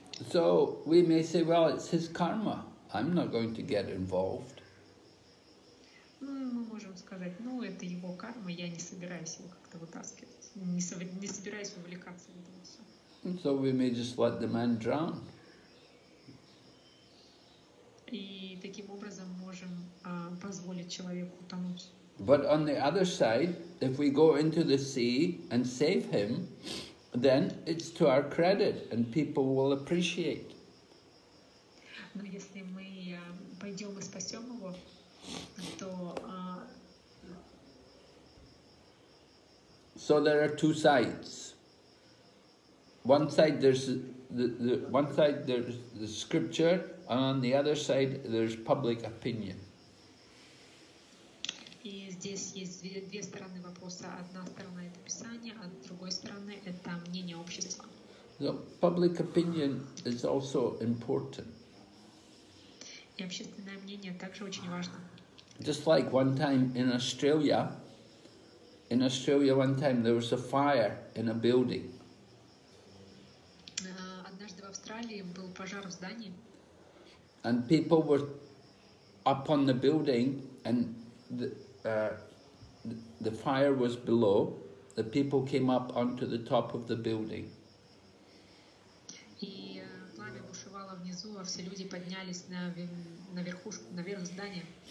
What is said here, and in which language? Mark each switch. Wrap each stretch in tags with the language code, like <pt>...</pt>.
<en>So we may say, well, it's his karma. I'm not going to get involved.</en> <ru>Мы можем сказать, ну это его карма, я не собираюсь его как-то вытаскивать, не собираюсь вовлекаться в это все.</ru> <en>So we may just let the man drown.</en> <ru>И таким образом можем позволить человеку утонуть.</ru> <en>But on the other side, if we go into the sea and save him, then it's to our credit, and people will appreciate.</en> <ru>Но если мы пойдем и спасем его, то.</ru> <en>So there are two sides. One side there's the scripture, and on the other side there's public opinion.</en> <ru>И здесь есть две стороны вопроса. Одна сторона это писание, а с другой стороны это мнение общества.</ru> <en>So public opinion is also important.</en> <ru>И общественное мнение также очень важно.</ru> <en>Just like one time in Australia, In Australia one time there was a fire in a building.</en> <ru>Однажды в Австралии был пожар в здании.</ru> <en>And people were up on the building and the fire was below. The people came up onto the top of the building.</en> <ru>И пламя бушевало внизу, а все люди поднялись на верхушку, наверх здания.</ru>